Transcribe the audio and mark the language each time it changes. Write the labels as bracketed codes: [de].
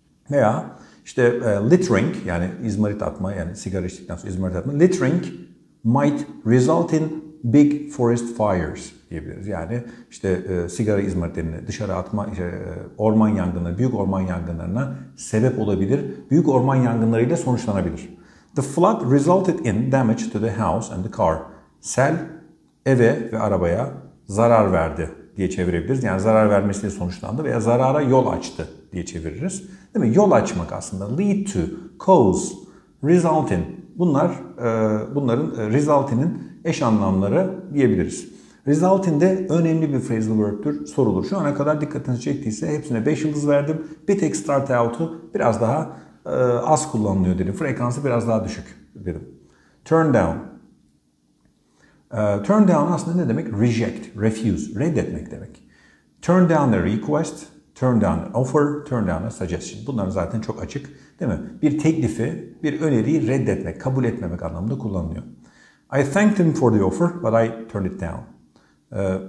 [tr] Veya işte littering yani izmarit atma yani sigara içtikten sonra izmarit atma. [en] Littering might result in big forest fires [tr] diyebiliriz. Yani işte sigara izmaritlerini dışarı atma, işte, orman yangınları, büyük orman yangınlarına sebep olabilir. Büyük orman yangınlarıyla sonuçlanabilir. [en] The flood resulted in damage to the house and the car. [tr] Sel eve ve arabaya zarar verdi diye çevirebiliriz. Yani zarar vermesi diye sonuçlandı veya zarara yol açtı diye çeviririz. Değil mi? Yol açmak aslında. Lead to, cause, result in. Bunlar, bunların result in'in eş anlamları diyebiliriz. Result in de önemli bir phrasal verb'tür, sorulur. Şu ana kadar dikkatinizi çektiyse hepsine 5 yıldız verdim. Bir tek start out'u biraz daha az kullanılıyor dedim. Frekansı biraz daha düşük dedim. Turn down. Turn down aslında ne demek? Reject, refuse, reddetmek demek. [en] Turn down a request, turn down an offer, turn down a suggestion. [tr] Bunlar zaten çok açık değil mi? Bir teklifi, bir öneriyi reddetmek, kabul etmemek anlamında kullanılıyor. [en] I thanked him for the offer, but I turned it down.